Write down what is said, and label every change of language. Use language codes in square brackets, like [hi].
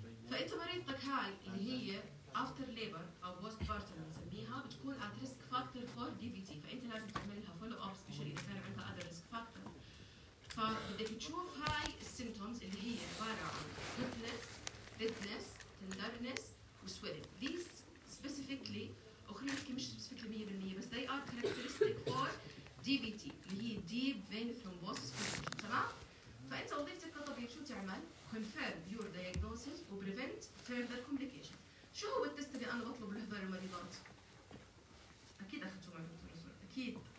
[ar] فأنت مريضتك هاي اللي هي [en] after labor [ar] أو post partum نسميها بتكون [en] at risk factor for DVT، [ar] فأنت لازم تعمل لها [en] follow up especially [ar] إذا كان عندها [en] other risk factor. [ar] فبدك تشوف هاي السيمتومز اللي هي عبارة عن redness, tenderness و swelling. [en] These specifically [ar] أخرى لكي مش [en] specifically 100% بس they are characteristic for DVT [ar] اللي هي [en] deep vein thrombosis prevention. [ar] تمام؟ فأنت وظيفتك كطبيب شو تعمل؟ [en] confirm your diagnosis [ar] و [en] prevent further complication. [ar] شو هو التست اللي أنا بطلب لهذول المريضات؟ أكيد أخذتوا معي دكتور نصر، أكيد.